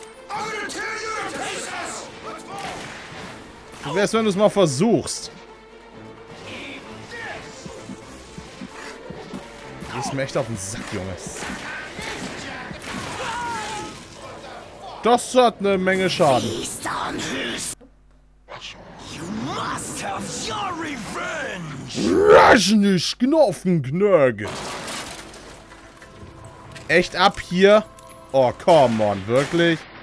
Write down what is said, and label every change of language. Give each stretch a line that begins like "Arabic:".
English: I'm gonna tear you to pieces!
German: Wie wär's, wenn du es mal versuchst? Du gehst mir echt auf den Sack, Junge. Das hat eine Menge Schaden.
English: You must have your revenge! Raschnisch, Knochenknörge!
German: Echt ab hier?
English: Oh, come on,
German: wirklich?